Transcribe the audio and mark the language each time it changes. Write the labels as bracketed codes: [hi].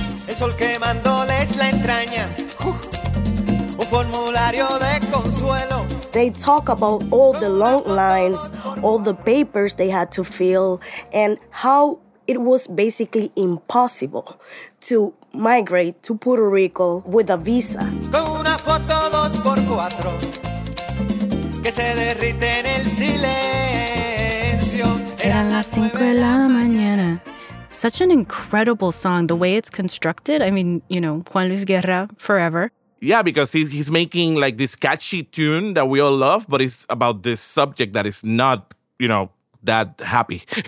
[es] El sol quemándoles la entraña, un formulario de consuelo. [en] They talk about all the long lines, all the papers they had to fill, and how it was basically impossible to migrate to Puerto Rico with a visa. [es] Con una foto dos por cuatro, que se derrite en el silencio. Eran las cinco de la mañana. [en] Such an incredible song, the way it's constructed. I mean, you know, Juan Luis Guerra, forever. Yeah, because he's making like this catchy tune that we all love, but it's about this subject that is not, you know, that happy.